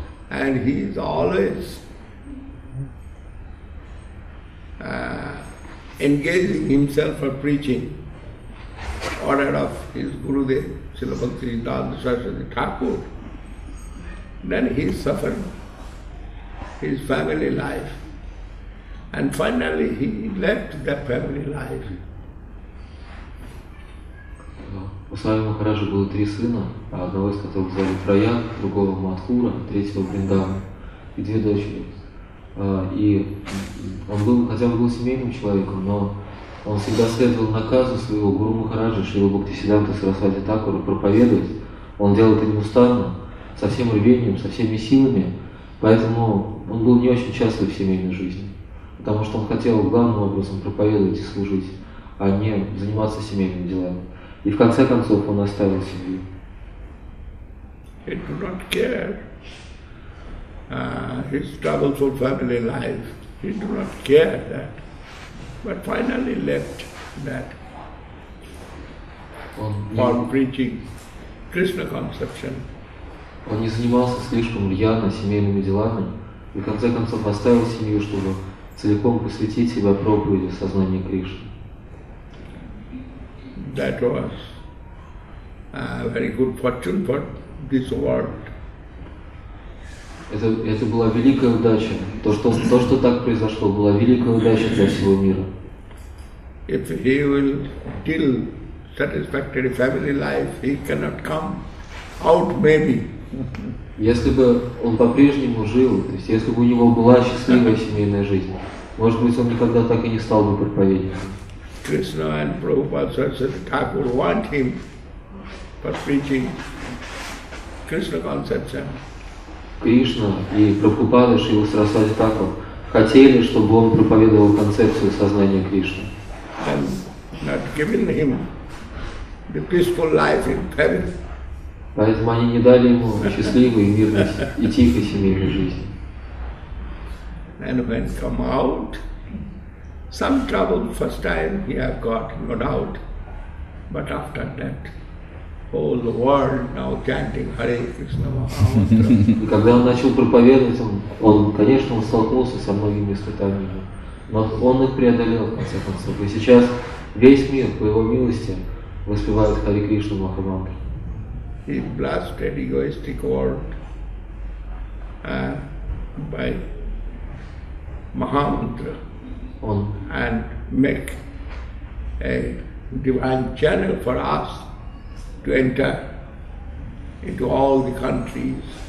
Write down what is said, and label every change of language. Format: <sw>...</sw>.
<en>And he is always engaging himself for preaching, order of his Gurudev, Srila Bhakti Siddhanta Saraswati Thakur. Then he suffered his family life. And finally he left that family life.</en> <ru>У Свами Махараджа было 3 сына, одного из которых звали Прояг, другого Мадхура, третьего Бриндавана и 2 дочери. И он был, хотя бы был семейным человеком, но он всегда следовал наказу своего Гуру Махараджа, Шрила Бхактисиддханта Сарасвати Такура, проповедовать. Он делал это неустанно, со всем рвением, со всеми силами, поэтому он был не очень счастлив в семейной жизни, потому что он хотел главным образом проповедовать и служить, а не заниматься семейными делами. И в конце концов он оставил семью.</ru> <en>He did not care his troubleful family life. He did not care that. But finally left that for preaching Krishna conception.</en> <ru>Он не занимался слишком рьяно семейными делами и в конце концов оставил семью, чтобы целиком посвятить себя проповеди в сознании Кришны.</ru> <en>That was a very good fortune for this world.</en> <ru>Это была великая удача. То, что так произошло, была великая удача для всего мира.</ru> <en>If he will still satisfactory family life, he cannot come out maybe.</en> <ru>Если бы он по-прежнему жил, то есть если бы у него была счастливая семейная жизнь, может быть, он никогда так и не стал бы проповедником.</ru> <en>Krishna and Prabhupada said that Thakur want him for preaching Krishna conception.</en> <ru>Кришна и Прабхупада Шрила Сарасвати Тхакур хотели, чтобы он проповедовал концепцию сознания Кришны.</ru> <en>And not giving him the peaceful life in heaven.</en> <ru>Поэтому они не дали ему счастливой, мирной и тихой семейной жизни.</ru> <en>And when come out, some trouble first time he have got, no doubt. But after that, all the world now chanting Hare Krishna Mahamantra.</en> <ru>Когда он начал проповедовать, он, конечно, он столкнулся со многими испытаниями. Но он их преодолел, в конце концов. И сейчас весь мир, по его милости, воспевает Хари Кришну Махамантру.</ru> <en>He blasted egoistic world by Mahamantra and make a divine channel for us to enter into all the countries.</en>